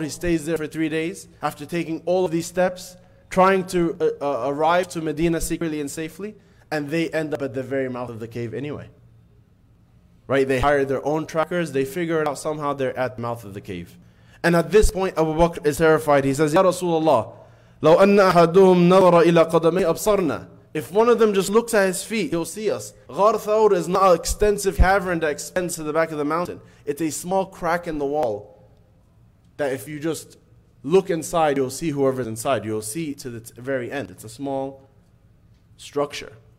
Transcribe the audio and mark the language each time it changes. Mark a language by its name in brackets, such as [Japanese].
[English] He stays there for 3 days. After taking all of these steps, trying to arrive to Medina secretly and safely, and they end up at the very mouth of the cave anyway. Right? They hire their own trackers. They figure it out somehow. They're at the mouth of the cave. And at this point, Abu Bakr is terrified. He says, [Arabic] Ya Rasulullah, لو أن أحدهم نظر إلى قدمي أبصرنا. [English] If one of them just looks at his feet, he'll see us. Ghar Thawr is not an extensive cavern that extends to the back of the mountain. It's a small crack in the wall that if you just look inside, you'll see whoever's inside. You'll see to the very end. It's a small structure.